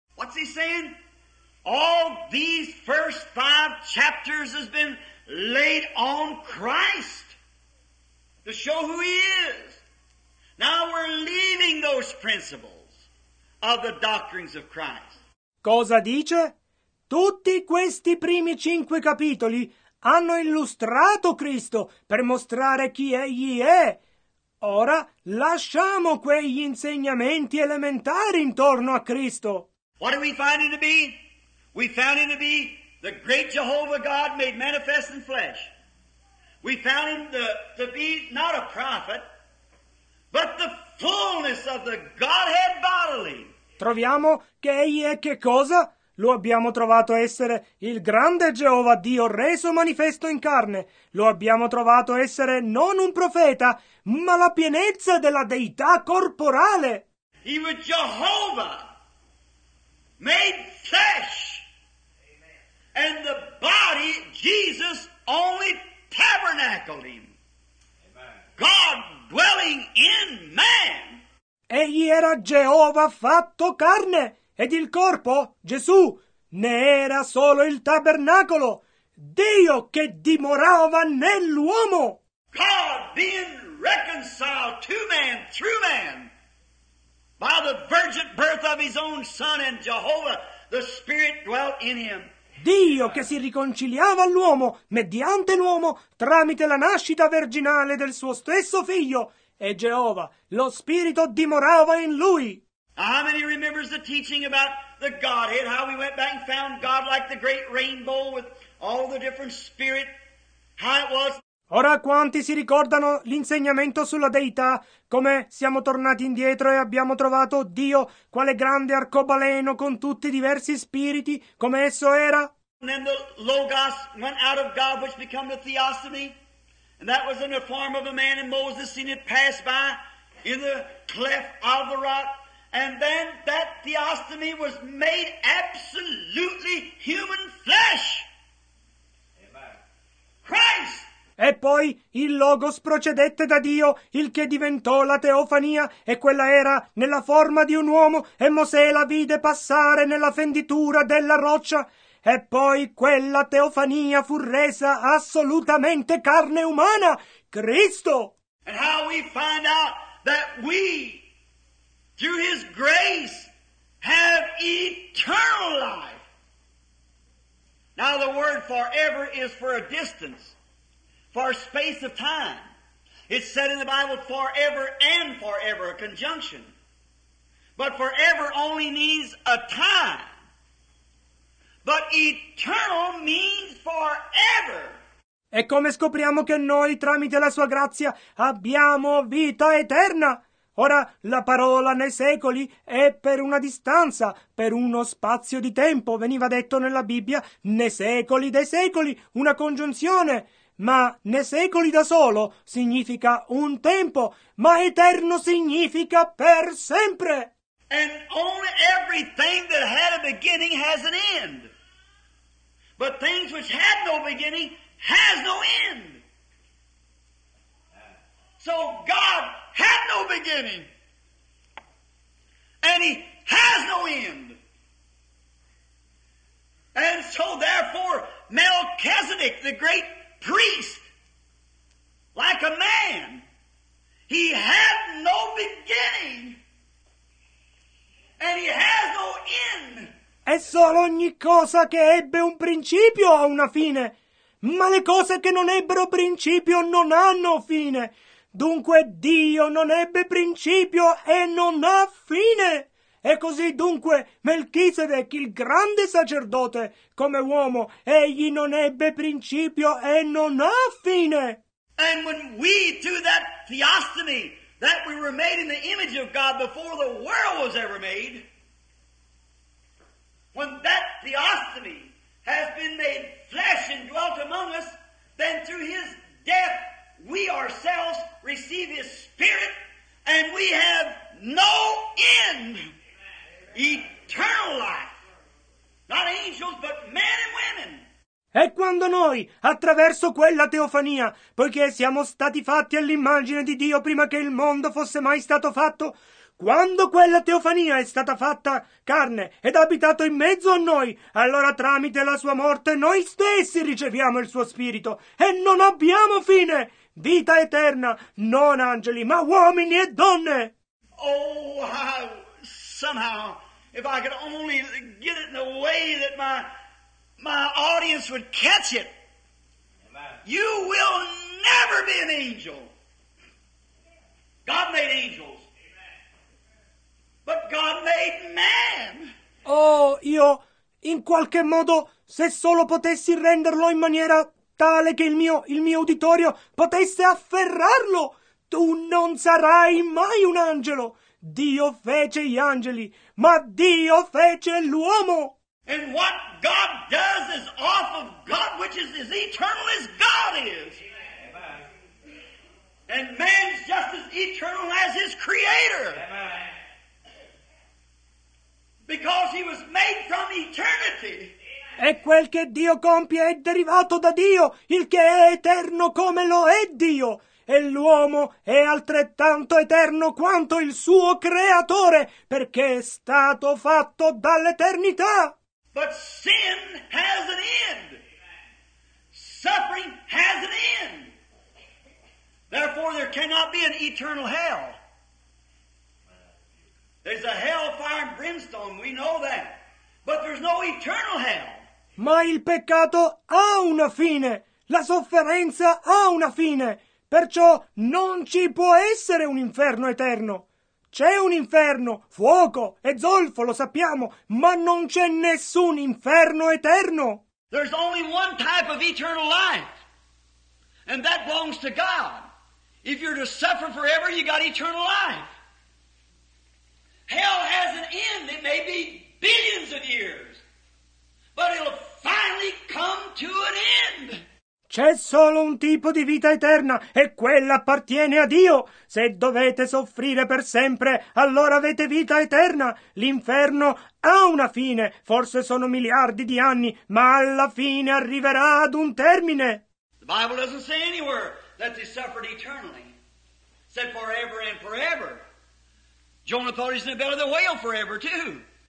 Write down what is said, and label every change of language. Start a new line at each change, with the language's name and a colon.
English: What's he saying? All these first five chapters has been laid on Christ to show who he is. Now we're leaving those principles of the doctrines of Christ.
Italian: Cosa dice? Tutti questi primi cinque capitoli hanno illustrato Cristo per mostrare chi egli è. Ora lasciamo quegli insegnamenti elementari intorno a Cristo.
English: What are we finding to be? We found him to be the great Jehovah God made manifest in flesh. We found him to be not a prophet, but the fullness of the Godhead bodily.
Italian: Troviamo che egli è che cosa? Lo abbiamo trovato essere il grande Geova Dio reso manifesto in carne. Lo abbiamo trovato essere non un profeta, ma la pienezza della deità corporale.
English: He was Jehovah made flesh. And the body, Jesus, only tabernacled him. Amen. God dwelling in man.
Italian: Egli era Geova fatto carne, ed il corpo, Gesù, ne era solo il tabernacolo. Dio che dimorava nell'uomo.
English: God being reconciled to man, through man, by the virgin birth of his own son, and Jehovah, the Spirit dwelt in him.
Italian: Dio che si riconciliava all'uomo, mediante l'uomo, tramite la nascita virginale del suo stesso figlio, e Geova, lo Spirito dimorava in lui.
English: How many remembers the teaching about the Godhead, how we went back and found God like the great rainbow with all the different spirit, how it was?
Italian: Ora quanti si ricordano l'insegnamento sulla Deità, come siamo tornati indietro e abbiamo trovato Dio, quale grande arcobaleno con tutti i diversi spiriti, come esso era?
English: And then the Logos went out of God, which became the Theosophy, and that was in the form of a man, and Moses seen it pass by in the cleft of the rock, and then that Theosophy was made absolutely human flesh. Amen. Christ!
Italian: E poi il Logos procedette da Dio, il che diventò la Teofania, e quella era nella forma di un uomo, e Mosè la vide passare nella fenditura della roccia, e poi quella Teofania fu resa assolutamente carne umana, Cristo!
English: And how we find out that we, through his grace, have eternal life. Now the word forever is for a distance. For a space of time. It's said in the Bible forever and forever, a conjunction. But forever only means a time. But eternal means forever.
Italian: E come scopriamo che noi, tramite la sua grazia, abbiamo vita eterna? Ora, la parola nei secoli è per una distanza, per uno spazio di tempo, veniva detto nella Bibbia, nei secoli dei secoli, una congiunzione. Ma ne secoli da solo significa un tempo, ma eterno significa per sempre.
English: And only everything that had a beginning has an end. But things which had no beginning has no end. So God had no beginning. And he has no end. And so therefore Melchizedek, the great priest, like a man, he had no beginning, and he has no end.
Italian: È solo ogni cosa che ebbe un principio ha una fine, ma le cose che non ebbero principio non hanno fine. Dunque Dio non ebbe principio e non ha fine. E così dunque Melchizedek, il grande sacerdote, come uomo, egli non ebbe principio e non ha fine.
English: And when we do that theostomy, that we were made in the image of God before the world was ever made, when that theostomy has been made flesh and dwelt among us, then through his death we ourselves receive his spirit and we have no end. Eternal life. Not angels, but men and women.
Italian: E quando noi, attraverso quella teofania, poiché siamo stati fatti all'immagine di Dio prima che il mondo fosse mai stato fatto, quando quella teofania è stata fatta carne ed abitato in mezzo a noi, allora tramite la sua morte noi stessi riceviamo il suo spirito e non abbiamo fine, vita eterna, non angeli, ma uomini e donne.
English: Oh, somehow, if I could only get it in a way that my audience would catch it. Amen. You will never be an angel. God made angels. Amen. But God made man.
Italian: Oh, io, in qualche modo, se solo potessi renderlo in maniera tale che il mio uditorio potesse afferrarlo, tu non sarai mai un angelo. Dio fece gli angeli, ma Dio fece l'uomo.
English: And what God does is off of God, which is as eternal as God is. Amen. And man's just as eternal as his creator. Amen. Because he was made from eternity.
Italian: E quel che Dio compie è derivato da Dio, il che è eterno come lo è Dio. E l'uomo è altrettanto eterno quanto il suo creatore, perché è stato fatto dall'eternità.
English: But sin has an end. Suffering has an end. Therefore, there cannot be an eternal hell. There's a hell of fire and brimstone, we know that. But there's no eternal hell.
Italian: Ma il peccato ha una fine. La sofferenza ha una fine. Perciò non ci può essere un inferno eterno. C'è un inferno, fuoco e zolfo, lo sappiamo, ma non c'è nessun inferno eterno.
English: There's only one type of eternal life, and that belongs to God. If you're to suffer forever, you got eternal life. Hell has an end, it may be billions of years, but it'll finally come to an end.
Italian: C'è solo un tipo di vita eterna, e quella appartiene a Dio. Se dovete soffrire per sempre, allora avete vita eterna. L'inferno ha una fine, forse sono miliardi di anni, ma alla fine arriverà ad un termine.
English: The Bible doesn't say anywhere that they suffered eternally. It said forever and forever. Jonah thought he's in the belly of the whale forever too.